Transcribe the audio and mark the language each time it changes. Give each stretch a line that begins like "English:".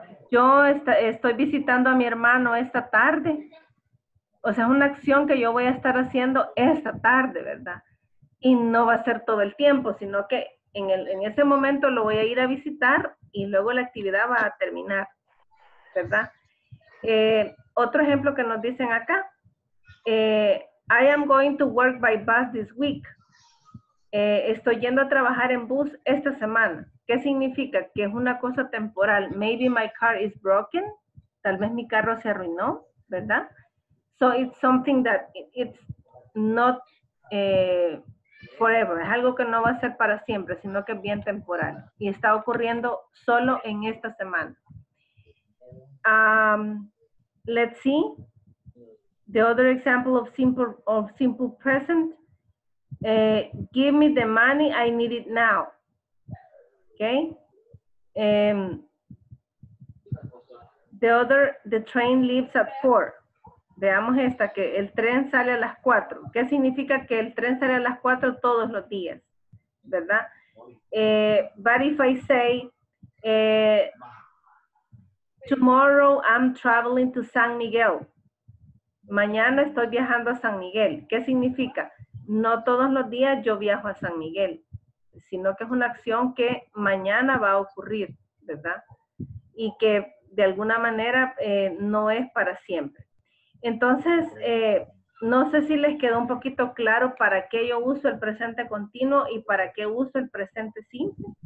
Spanish: Yo estoy visitando a mi hermano esta tarde. O sea, es una acción que yo voy a estar haciendo esta tarde, ¿verdad? Y no va a ser todo el tiempo, sino que en ese momento lo voy a ir a visitar y luego la actividad va a terminar, ¿verdad? Otro ejemplo que nos dicen acá.
English: I am going to work by bus this week.
Spanish: Estoy yendo a trabajar en bus esta semana. ¿Qué significa? Que es una cosa temporal.
English: Maybe my car is broken.
Spanish: Tal vez mi carro se arruinó, ¿verdad?
English: So it's something that it's not forever.
Spanish: Es algo que no va a ser para siempre, sino que es bien temporal. Y está ocurriendo solo en esta semana.
English: Let's see. The other example of simple present. Give me the money, I need it now. Okay. The train leaves at 4.
Spanish: Veamos esta, que el tren sale a las 4. ¿Qué significa que el tren sale a las 4 todos los días? ¿Verdad?
English: But if I say, tomorrow I'm traveling to San Miguel.
Spanish: Mañana estoy viajando a San Miguel. ¿Qué significa? No todos los días yo viajo a San Miguel, sino que es una acción que mañana va a ocurrir, ¿verdad? Y que de alguna manera no es para siempre. Entonces, no sé si les quedó un poquito claro para qué yo uso el presente continuo y para qué uso el presente simple.